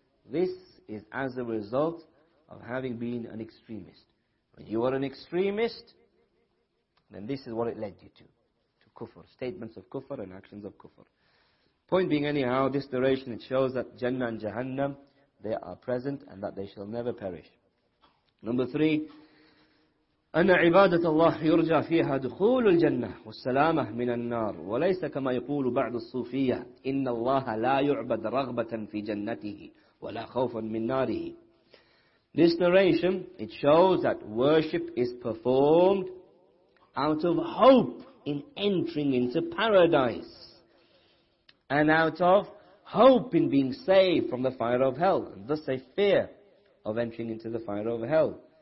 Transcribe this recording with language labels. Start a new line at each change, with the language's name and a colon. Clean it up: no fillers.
English: This is as a result of having been an extremist. When you are an extremist, then this is what it led you to kufr, statements of kufr and actions of kufr. Point being, anyhow, this narration, it shows that Jannah and Jahannam, they are present and that they shall never perish. Number three,
Arabic: أن عبادة الله يرجى فيها دخول الجنة والسلامة من النار وليس كما يقول بعض الصوفية إن الله لا يعبد رغبة في جنته ولا خوفا من ناره.
English: This narration, it shows that worship is performed out of hope in entering into paradise and out of hope in being saved from the fire of hell, and thus a fear of entering into the fire of hell.